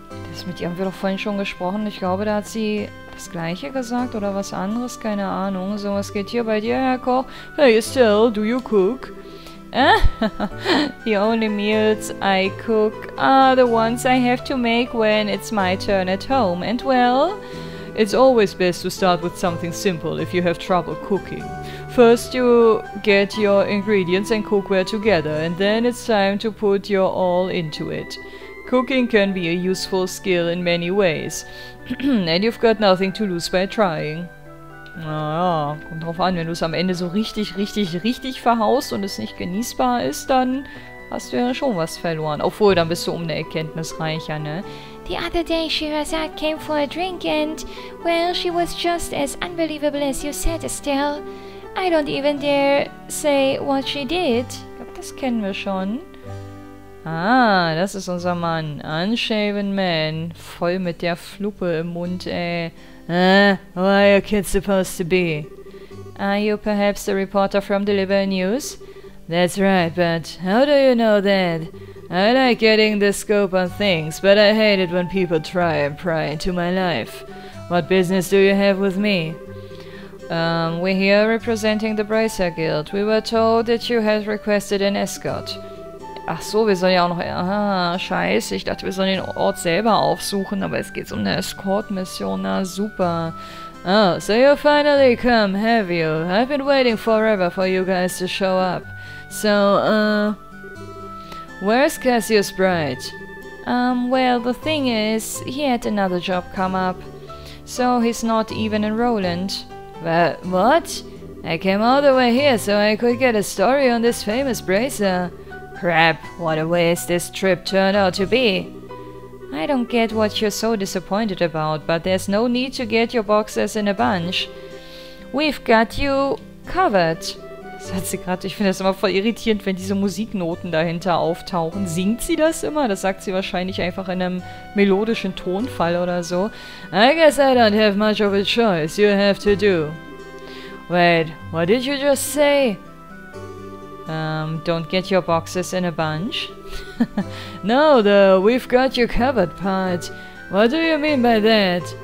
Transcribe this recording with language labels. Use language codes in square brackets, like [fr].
[de] Das mit ihr haben wir doch vorhin schon gesprochen. Ich glaube, da hat sie das Gleiche gesagt oder was anderes. Keine Ahnung. So, was geht hier bei dir, Herr Koch? [en] Hey, Estelle, do you cook? The only meals I cook are the ones I have to make when it's my turn at home. And well, it's always best to start with something simple if you have trouble cooking. First you get your ingredients and cookware together, and then it's time to put your all into it. Cooking can be a useful skill in many ways, and you've got nothing to lose by trying. [de] Naja, kommt drauf an, wenn du es am Ende so richtig verhaust und es nicht genießbar ist, dann hast du ja schon was verloren. Obwohl, dann bist du um eine Erkenntnis reicher, ne? [en] The other day she herself came for a drink and, well, she was just as unbelievable as you said, Estelle. I don't even dare say what she did. [de] Ich glaube, das kennen wir schon. Ah, das ist unser Mann. Unshaven Man. Voll mit der Fluppe im Mund, ey. [en] Who are your kids supposed to be? Are you perhaps the reporter from the Liberal News? That's right, but how do you know that? I like getting the scoop on things, but I hate it when people try and pry into my life. What business do you have with me? We're here representing the Bracer Guild. We were told that you had requested an escort. [de] Ach so, wir sollen ja auch noch... Ah, scheiße, ich dachte, wir sollen den Ort selber aufsuchen, aber es geht um eine Escort-Mission. Na super. [en] Oh, so you finally come, have you? I've been waiting forever for you guys to show up. So, where's Cassius Bright? Well, the thing is, he had another job come up. So he's not even in Roland. Well, what? I came all the way here so I could get a story on this famous bracer. Crap, what a waste this trip turned out to be. I don't get what you're so disappointed about, but there's no need to get your boxes in a bunch. We've got you covered. [de] Das hat sie gerade, ich finde das immer voll irritierend, wenn diese Musiknoten dahinter auftauchen. Singt sie das immer? Das sagt sie wahrscheinlich einfach in einem melodischen Tonfall oder so. [en] I guess I don't have much of a choice, you have to do. Wait, what did you just say? Don't get your boxes in a bunch? No, the we've got you covered part. What do you mean by that?